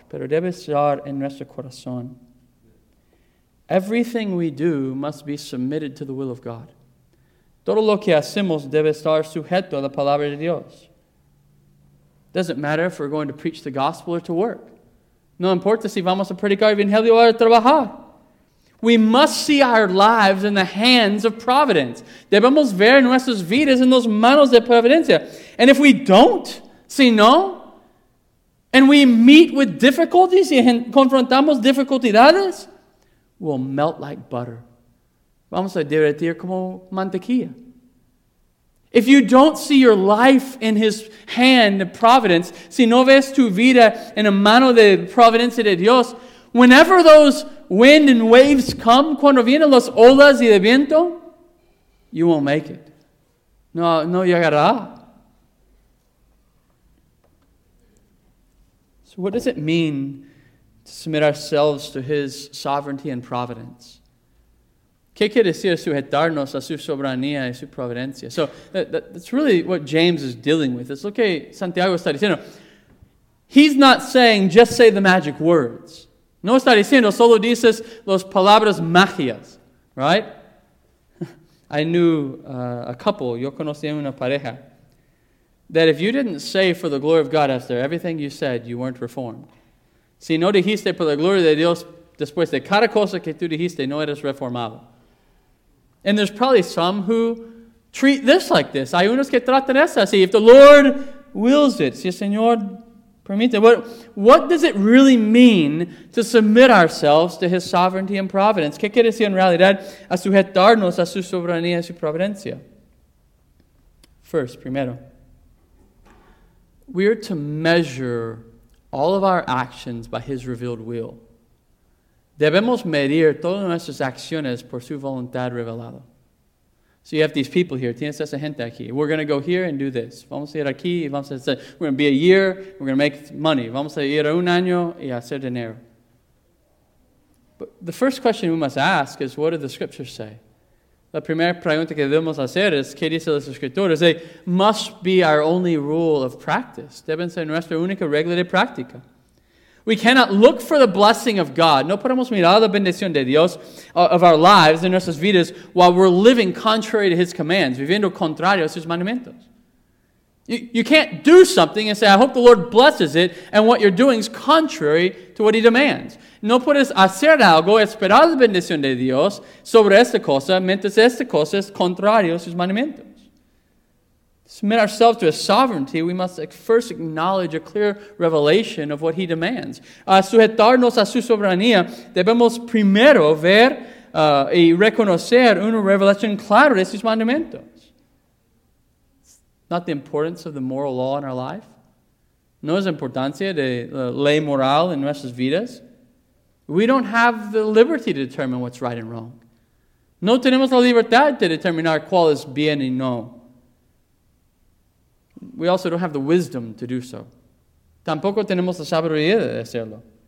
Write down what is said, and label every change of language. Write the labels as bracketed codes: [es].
[es] Pero debe estar en nuestro corazón. [en] Everything we do must be submitted to the will of God. [es] Todo lo que hacemos debe estar sujeto a la palabra de Dios. [en] Doesn't matter if we're going to preach the gospel or to work. [es] No importa si vamos a predicar evangelio o a trabajar. [en] We must see our lives in the hands of providence. [es] Debemos ver nuestras vidas en las manos de providencia. [en] And if we don't, [es] si no, [en] and we meet with difficulties, [es] y confrontamos dificultades, [en] will melt like butter. [es] Vamos a derretir como mantequilla. [en] If you don't see your life in His hand, providence, [es] si no ves tu vida en la mano de providencia de Dios, [en] whenever those wind and waves come, [es] cuando vienen las olas y el viento, [en] you won't make it. [es] No llegará. [en] So what does it mean to submit ourselves to His sovereignty and providence? [es] ¿Qué quiere decir sujetarnos a su soberanía y su providencia? [en] So that's really what James is dealing with. It's okay, [es] Santiago está diciendo. [en] He's not saying just say the magic words. [es] No está diciendo, solo dices las palabras magias, [en] right? I knew a couple, [es] yo conocí una pareja, [en] that if you didn't say for the glory of God after everything you said, you weren't reformed. [es] Si no dijiste por la gloria de Dios después de cada cosa que tú dijiste, no eres reformado. [en] And there's probably some who treat this like this. [es] Hay unos que tratan eso. [en] See, if the Lord wills it, [es] si el Señor permite. [en] What does it really mean to submit ourselves to His sovereignty and providence? [es] ¿Qué quiere decir en realidad? A sujetarnos a su soberanía y su providencia. Primero, [en] we are to measure all of our actions by His revealed will. [es] Debemos medir todas nuestras acciones por su voluntad revelada. [en] So you have these people here. [es] Tienes esa gente aquí. [en] We're going to go here and do this. [es] Vamos a ir aquí. Vamos a hacer. [en] We're going to be a year. We're going to make money. [es] Vamos a ir un año y hacer dinero. [en] But the first question we must ask is, what do the scriptures say? [es] La primera pregunta que debemos hacer es, ¿qué dice las escrituras? [en] They must be our only rule of practice. [es] Deben ser nuestra única regla de práctica. [en] We cannot look for the blessing of God. [es] No podemos mirar la bendición de Dios [en] of our lives, [es] de nuestras vidas, [en] while we're living contrary to His commands, [es] viviendo contrario a sus mandamientos. [en] You can't do something and say, I hope the Lord blesses it, and what you're doing is contrary to what He demands. [es] No puedes hacer algo, esperar la bendición de Dios sobre esta cosa, mientras esta cosa es contrario a sus mandamientos. [en] Submit ourselves to His sovereignty, we must first acknowledge a clear revelation of what He demands. [es] Sujetarnos a su soberanía, debemos primero ver y reconocer una revelación clara de sus mandamientos. [en] Not the importance of the moral law in our life. [es] No es importancia de la ley moral en nuestras vidas. [en] We don't have the liberty to determine what's right and wrong. [es] No tenemos la libertad de determinar cuál es bien y no. [en] We also don't have the wisdom to do so. [es] Tampoco tenemos la sabiduría de hacerlo.